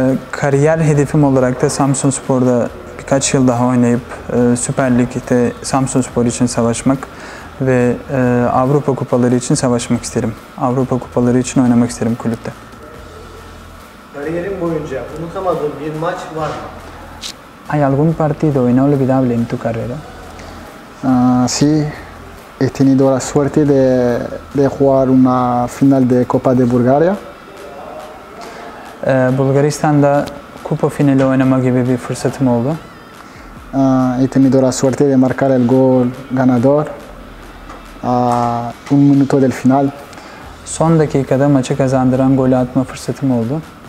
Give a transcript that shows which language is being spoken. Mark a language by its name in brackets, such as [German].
[Turkish] Kariyer hedefim olarak da Samsunspor'da birkaç yıl daha oynayıp Süper Lig'de Samsunspor için savaşmak ve Avrupa kupaları için savaşmak isterim. Avrupa kupaları için oynamak isterim kulüpte. Kariyerim boyunca unutamadığım bir maç var mı? [Spanish] Hay algún partido inolvidable en tu carrera? Sí. He tenido la suerte de jugar una final de Copa de Bulgaria. [Turkish] Bulgaristan'da kupa finali oynama gibi bir fırsatım oldu. [Spanish] He tenido la suerte de marcar el gol ganador a un minuto del final. [Turkish] Son dakikada maçı kazandıran golü atma fırsatım oldu.